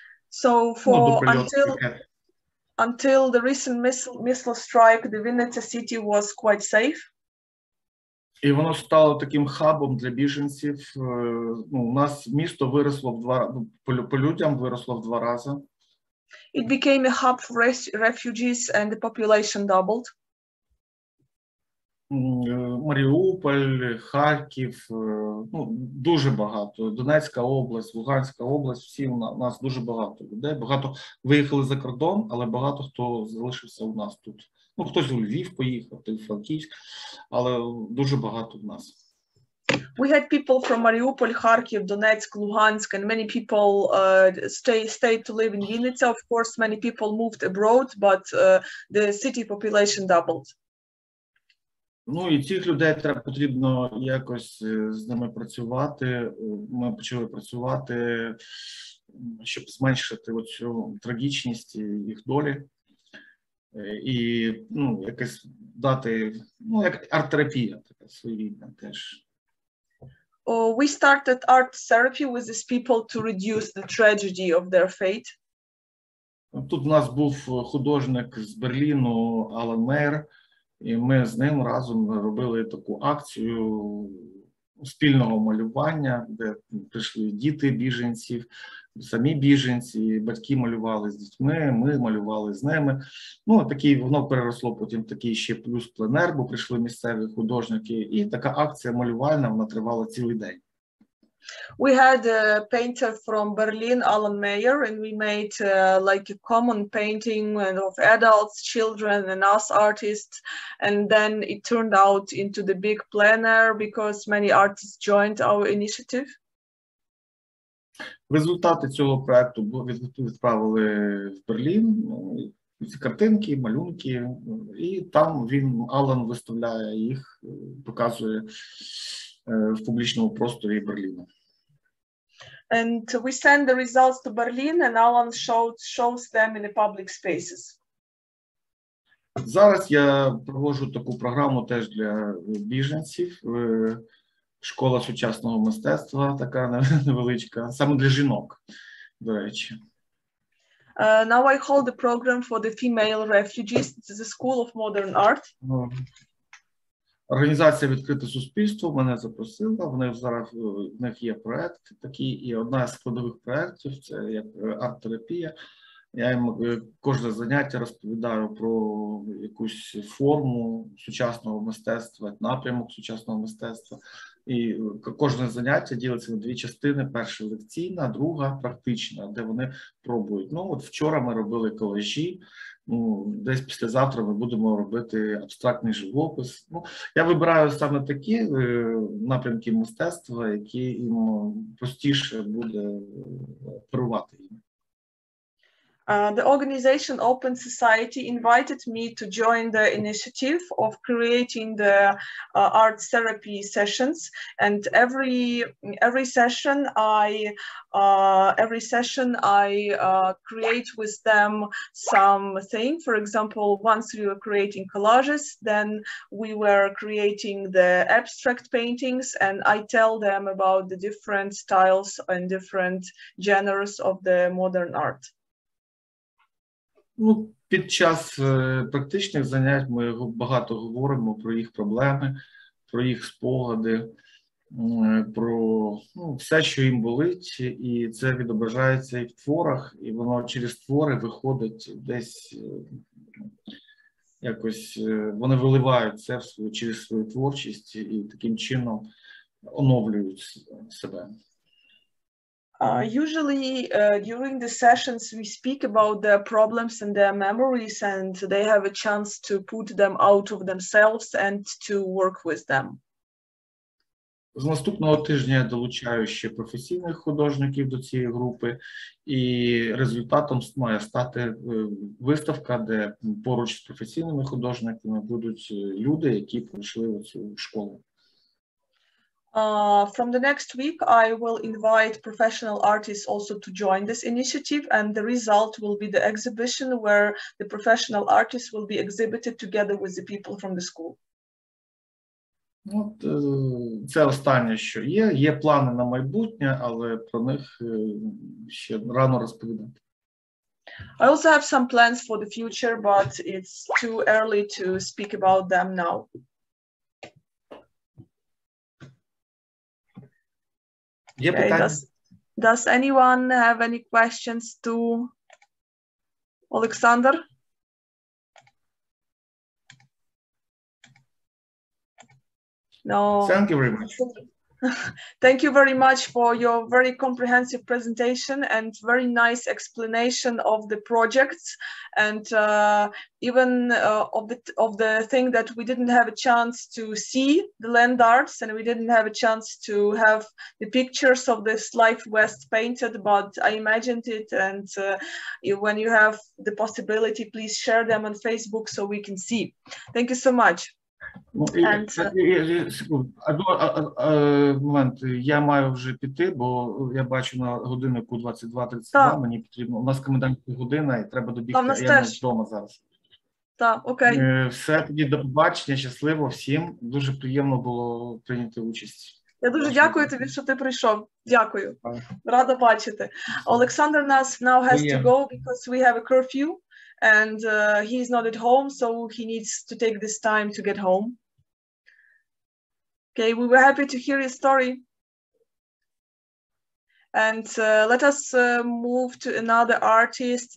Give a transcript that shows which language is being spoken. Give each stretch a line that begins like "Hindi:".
English: So for until the recent missile strike, the Vinnytsia city was quite safe.
Ukrainian: І воно стало таким хабом для біженців. Ну, у нас місто виросло в два по людям виросло в два рази.
English: It became a hub for refugees and the population doubled.
Ukrainian: Маріуполь, Харків, ну, дуже багато. Донецька область, Луганська область, всі у нас дуже багато людей. Багато виїхали за кордон, але багато хто залишився у нас тут. Ну, хтось у Львів поїхав, у Франківськ, але дуже багато в нас.
English: We had people from Mariupol, Kharkiv, Donetsk, Luhansk, and many people stayed to live in Vinnytsia. Of course, many people moved abroad, but the city population doubled.
Ukrainian: Ну, і цих людей треба потрібно якось з ними працювати. Ми почали працювати, щоб зменшити оцю трагічність їх долі. І, ну, якось дати, ну, як арт-терапія така своєрідна теж.
English: We started art therapy with these people to reduce the tragedy of their fate.
Ukrainian: Тут у нас був художник з Берліну, Алан Мейер, і ми з ним разом робили таку акцію спільного малювання, де прийшли діти біженців, самі біженці, батьки малювали з дітьми, ми малювали з ними. Ну, такий, воно переросло потім такий ще плюс пленер, бо прийшли місцеві художники, і така акція малювальна, вона тривала цілий день.
English: We had a painter from Berlin, Alan Mayer, and we made like a common painting of adults, children, and us artists. And then it turned out into the big plein air because many artists joined our initiative.
Ukrainian: Результати цього проекту відправили в Берлін, ці картинки, малюнки, і там він, Алан, виставляє їх, показує в публічному просторі Берліна.
English: And we send the results to Berlin, and Alan shows them in the public spaces.
Ukrainian: Зараз я проводжу таку програму теж для біженців. Школа сучасного мистецтва, така невеличка, саме для жінок, до речі.
English: Now I hold the program for the female refugees. It's the School of Modern Art.
Ukrainian: Організація «Відкрите суспільство» мене запросила, вони зараз, в них є проєкт такий, і одна з складових проєктів – це як арт-терапія. Я їм кожне заняття розповідаю про якусь форму сучасного мистецтва, напрямок сучасного мистецтва. І кожне заняття ділиться на дві частини – перша лекційна, друга – практична, де вони пробують. Ну, от вчора ми робили колажі. Ну, десь післязавтра ми будемо робити абстрактний живопис. Ну, я вибираю саме такі напрямки мистецтва, які їм простіше буде керувати їм.
English: The organization Open Society invited me to join the initiative of creating the art therapy sessions, and every session I create with them something. For example, once we were creating collages, then we were creating the abstract paintings, and I tell them about the different styles and different genres of the modern art.
Ukrainian: Ну, під час практичних занять ми багато говоримо про їх проблеми, про їх спогади, про, ну, все, що їм болить, і це відображається і в творах, і воно через твори виходить десь якось, вони виливають це через свою творчість і таким чином оновлюють себе.
English: Usually during the sessions we speak about their problems and their memories, and they have a chance to put them out of themselves and to work with them.
Ukrainian: З наступного тижня я долучаю ще професійних художників до цієї групи, і результатом має стати виставка, де поруч з професійними художниками будуть люди, які пройшли цю школу.
English: From the next week, I will invite professional artists also to join this initiative, and the result will be the exhibition where the professional artists will be exhibited together with the people from the school.
Ukrainian: От, це останнє, що є. Є плани на майбутнє, але про них ще рано розповідати.
English: I also have some plans for the future, but it's too early to speak about them now. Okay. Does anyone have any questions to Alexander? No. Thank you very much. Thank you very much for your very comprehensive presentation and very nice explanation of the projects and even of the thing that we didn't have a chance to see the land arts and we didn't have a chance to have the pictures of this life west painted, but I imagined it and when you have the possibility, please share them on Facebook so we can see. Thank you so much.
Ukrainian: Момент, я маю вже піти, бо я бачу на годиннику 22:32, мені потрібно, у нас комендантська година і треба добігти, я не вдома зараз. Так, окей. Все, тоді до побачення, щасливо всім, дуже приємно було прийняти участь. Я дуже дякую тобі, що ти прийшов, дякую, рада бачити.
English: Олександр нас now has to go because we have a curfew. And he's not at home, so he needs to take this time to get home. Okay, we were happy to hear his story. And let us move to another artist.